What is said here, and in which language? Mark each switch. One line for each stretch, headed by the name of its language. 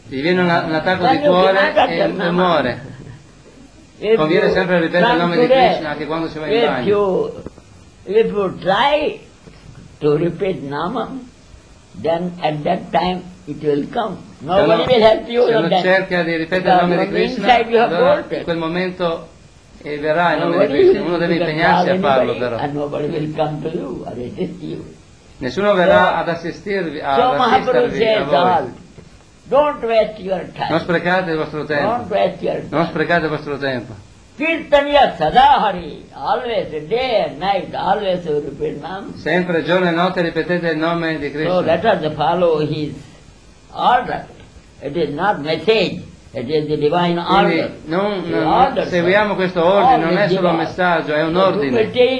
Italian: Ti viene un attacco di cuore e muore. Conviene sempre ripetere il nome di Krishna anche quando si va in bagno.
English: If you try to repeat Nama, then at that time it will come. Nobody se will help you.
Italian: Se non cerca di ripetere il nome di Krishna, allora in quel momento verrà il nome di Krishna. Uno deve impegnarsi a farlo, però.
English: And nobody will come to you or assist you.
Italian: Nessuno verrà ad assistervi, a assistervi a voi.
English: Don't waste your time.
Italian: Non sprecate il vostro tempo.
English: Don't waste your time.
Italian: Non sprecate il vostro tempo.
English: Kirtaniya sadahari, always day and night, always repeat nam.
Italian: Sempre giorno e notte ripetete il nome di Krishna.
English: So let us follow his order. It is not message, it is the divine order.
Italian: Quindi non order, seguiamo sir. Questo ordine, non è solo un messaggio, è un ordine.